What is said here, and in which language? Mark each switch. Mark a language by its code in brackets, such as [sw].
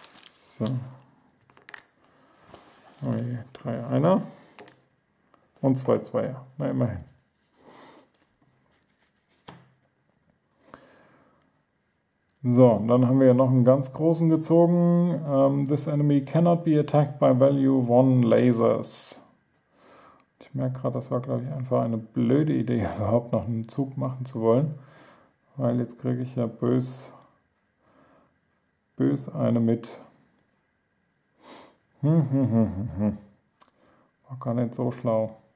[de] So. Okay, 3 Einer. Und 2 Zweier. Na, immerhin. So, und dann haben wir noch einen ganz großen gezogen. [en] This enemy cannot be attacked by value 1 lasers. [de] Ich merke gerade, das war, glaube ich, einfach eine blöde Idee, überhaupt noch einen Zug machen zu wollen. Weil jetzt kriege ich ja bös eine mit. War gar nicht so schlau.